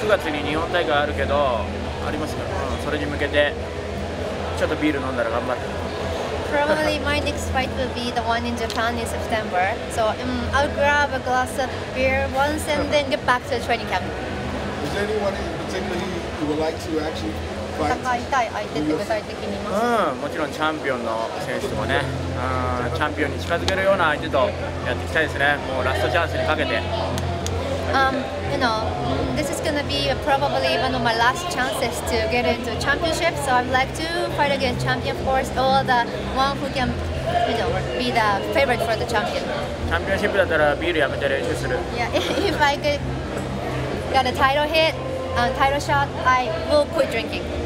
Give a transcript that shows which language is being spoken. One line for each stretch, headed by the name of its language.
Japanese: 9月に日本大会あるけどありますから。それに向けてちょっとビール飲んだら頑張る。
English: Probably my next fight will be the one in Japan in September. So I'll grab a glass of beer once and then get back to the training camp. Is there anyone in particular you would like to actually fight?
Japanese: 戦いたい相手って具体的にいます。もちろんチャンピオンの選手ともね、チャンピオンに近づけるような相手とやっていきたいですね。もうラストチャンスにかけて。
English: You know, this is gonna be probably one of my last chances to get into a championship, so I'd like to fight against champion force or the one who can, you know, be the favorite for the champion.
Japanese: Championship だったらビールやめて練習する。
English: Yeah, if I got a title hit, title shot, I will quit drinking.